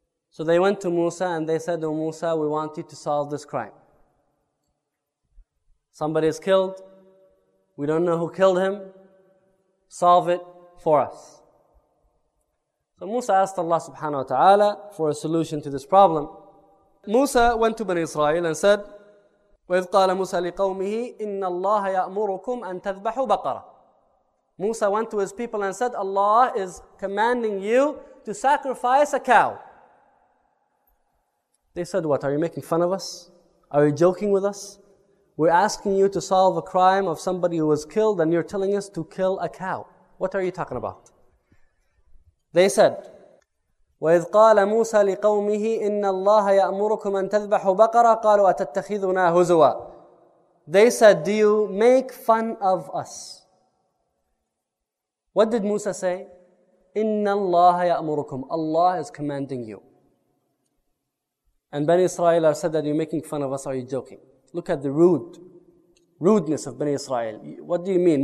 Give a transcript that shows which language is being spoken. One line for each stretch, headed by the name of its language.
English: So they went to Musa and they said, "Oh Musa, we want you to solve this crime. Somebody is killed. We don't know who killed him. Solve it for us." So Musa asked Allah subhanahu wa ta'ala for a solution to this problem. Musa went to Bani Israel and said,
Arabic: وَإِذْ قَالَ مُوسَى لِقَوْمِهِ إِنَّ اللَّهَ يَأْمُرُكُمْ أَن تَذْبَحُوا بَقَرًا.
English: Musa went to his people and said, Allah is commanding you to sacrifice a cow. They said, "What, are you making fun of us? Are you joking with us? We're asking you to solve a crime of somebody who was killed and you're telling us to kill a cow. What are you talking about?" They said,
Arabic: وَإِذْ قَالَ مُوسَى لِقَوْمِهِ إِنَّ اللَّهَ يَأْمُرُكُمْ أَن تَذْبَحُوا بَقَرًا قَالُوا أَتَتَّخِذُنَا هُزُوًا.
English: They said, "Do you make fun of us?" What did Musa say?
Arabic: إِنَّ اللَّهَ يَأْمُرُكُمْ.
English: Allah is commanding you. And Bani Israel said that you're making fun of us. Are you joking? Look at the rudeness of Bani Israel. What do you mean?